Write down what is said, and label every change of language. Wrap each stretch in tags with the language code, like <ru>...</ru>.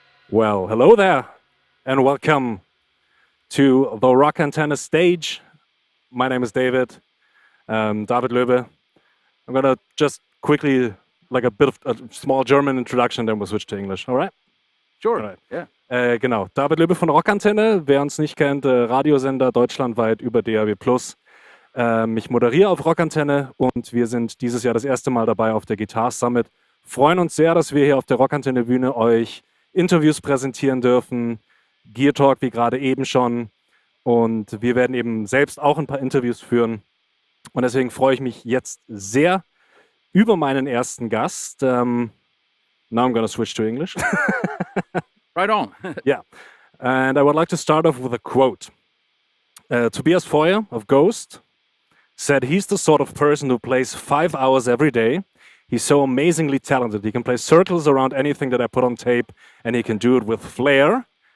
<en>Well, hello there, and welcome to the Rock Antenne stage. My name is David Loebe. I'm gonna just quickly, like a bit of a small German introduction, then we'll switch to English, all right? Sure, all right. Yeah.</en> <de>Genau, David Loebe von Rock Antenne. Wer uns nicht kennt, Radiosender deutschlandweit über DAB+. Ich moderiere auf Rock Antenne und wir sind dieses Jahr das erste Mal dabei auf der Guitar Summit. Freuen uns sehr, dass wir hier auf der Rock Antenne Bühne euch Interviews präsentieren dürfen, Gear Talk wie gerade eben schon, und wir werden eben selbst auch ein paar Interviews führen, und deswegen freue ich mich jetzt sehr über meinen ersten Gast.</de> <en>Now I'm gonna switch to English. Right on. Yeah, and I would like to start off with a quote. Tobias Feuer of Ghost said he's the sort of person who plays 5 hours every day. He's so amazingly talented. He can play circles around anything that I put on tape, and he can do it with flair.</en>